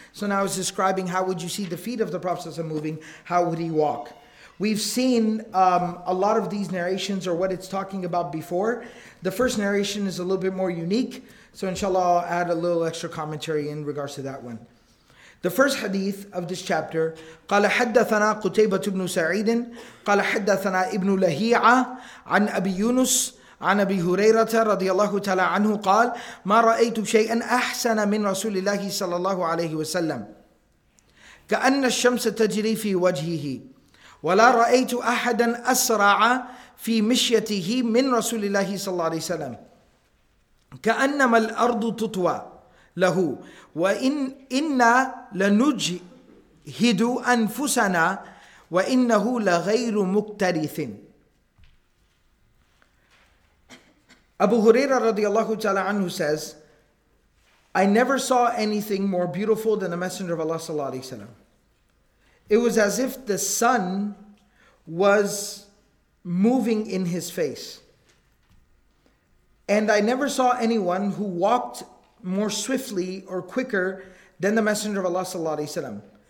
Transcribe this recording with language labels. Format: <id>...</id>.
<en>So now he's describing how would you see the feet of the Prophet sallallahu alaihi wasallam moving? How would he walk? We've seen a lot of these narrations or what it's talking about before. The first narration is a little bit more unique, so inshallah I'll add a little extra commentary in regards to that one. The first hadith of this chapter,</en> <ar>قَالَ حَدَّثَنَا قُتَيْبَةُ بْنُ سَعِيدٍ قَالَ حَدَّثَنَا إِبْنُ لَهِيعَ عَنْ أَبِي يُونُسِ عن أبي هريرة رضي الله تعالى عنه قال ما رأيت شيئا أحسن من رسول الله صلى الله عليه وسلم كأن الشمس تجري في وجهه وَلَا رَأَيْتُ أَحَدًا أَسْرَعَ فِي مِشْيَتِهِ مِنْ رَسُولِ اللَّهِ صَلَّى اللَّهِ عَلَيْهِ وَسَلَّمْ كَأَنَّمَا الْأَرْضُ تُطْوَى لَهُ وَإِنَّا لَنُجْهِدُ أَنفُسَنَا وَإِنَّهُ لَغَيْرُ مُكْتَرِثٍ.</ar> <en>Abu Huraira radiallahu ta'ala anhu says, I never saw anything more beautiful than the Messenger of Allah sallallahu alayhi wa sallam. It was as if the sun was moving in his face. And I never saw anyone who walked more swiftly or quicker than the Messenger of Allah sallallahu alaihi wasallam.</en>